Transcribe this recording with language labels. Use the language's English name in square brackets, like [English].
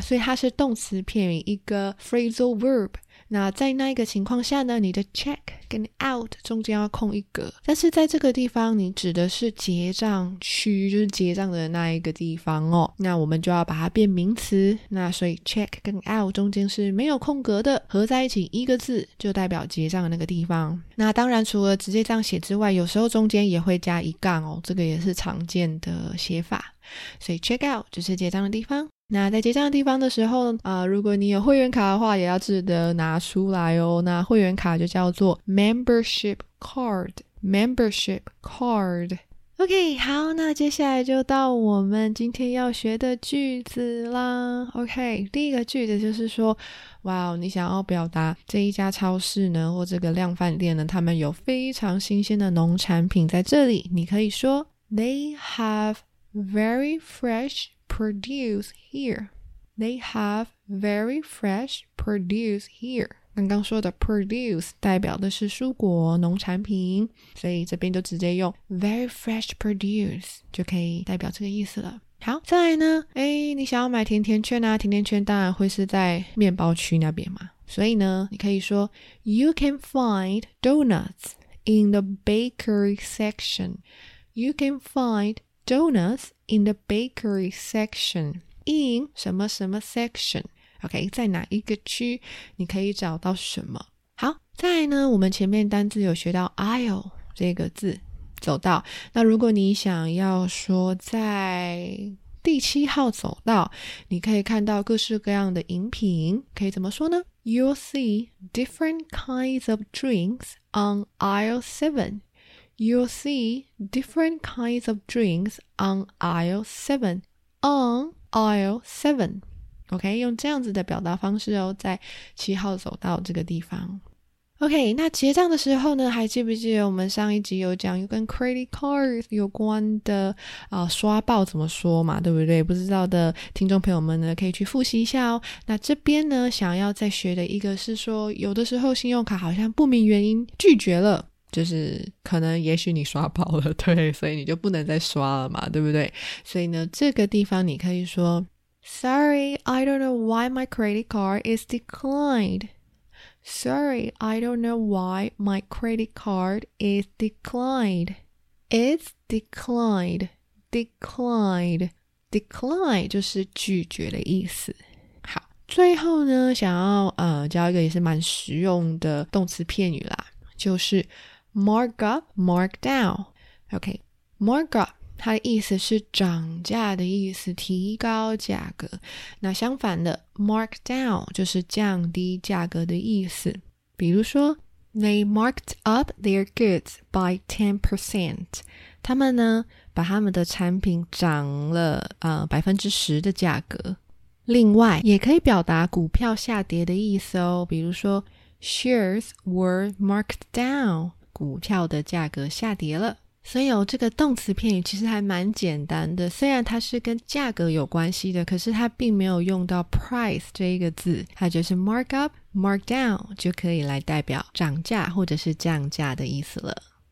[Chinese] 所以它是动词片语一个 phrasal verb。那在那一个情况下呢，你的 check 跟 out 中间要空一格，但是在这个地方你指的是结账区，就是结账的那一个地方哦，那我们就要把它变名词，那所以 check 跟 out 中间是没有空格的，合在一起一个字就代表结账的那个地方。那当然除了直接这样写之外，有时候中间也会加一杠哦，这个也是常见的写法，所以 check out 就是结账的地方。那在结账的地方的时候如果你有会员卡的话也要记得拿出来哦。那会员卡就叫做 membership card, membership card。 OK, 好，那接下来就到我们今天要学的句子啦。 OK, 第一个句子就是说，哇，你想要表达这一家超市呢，或这个量贩店呢，他们有非常新鲜的农产品在这里，你可以说 [English] They have very fresh produce here. They have very fresh produce here. [Chinese] 刚刚说的 produce 代表的是蔬果农产品，所以这边就直接用 very fresh produce 就可以代表这个意思了。好，再来呢，诶，你想要买甜甜圈啊，甜甜圈当然会是在面包区那边嘛，所以呢你可以说 [English] You can find donuts in the bakery section. You can find donuts in the bakery section. [Chinese] In 什么什么 section, OK, 在哪一个区你可以找到什么。好，再来呢，我们前面单字有学到 aisle 这个字，走道。那如果你想要说在第七号走道，你可以看到各式各样的饮品，可以怎么说呢？ [English] You'll see different kinds of drinks on aisle 7. You'll see different kinds of drinks on aisle 7. On aisle 7. [Chinese] OK, 用这样子的表达方式哦，在七号走道这个地方。 OK, 那结账的时候呢，还记不记得我们上一集有讲跟 credit card 有关的刷爆怎么说嘛，对不对？不知道的听众朋友们呢可以去复习一下哦。那这边呢想要再学的一个是说，有的时候信用卡好像不明原因拒绝了，就是可能也许你刷爆了，对，所以你就不能再刷了嘛，对不对？所以呢这个地方你可以说 [English] Sorry, I don't know why my credit card is declinedSorry, I don't know why my credit card is declined. It's declined. Declined. [Chinese] Decline 就是拒绝的意思。好，最后呢，想要教一个也是蛮实用的动词片语啦，就是 mark up, mark down. [English] OK, mark up. [Chinese] 它的意思是涨价的意思，提高价格。那相反的 mark down 就是降低价格的意思。比如说 [English] They marked up their goods by 10%. [Chinese] 他们呢把他们的产品涨了10%的价格。另外也可以表达股票下跌的意思哦，比如说 [English] Shares were marked down. [Chinese] 股票的价格下跌了。所以哦，这个动词片语其实还蛮简单的，虽然它是跟价格有关系的，可是它并没有用到 price 这一个字，它就是 markup, markdown 就可以来代表涨价或者是降价的意思了。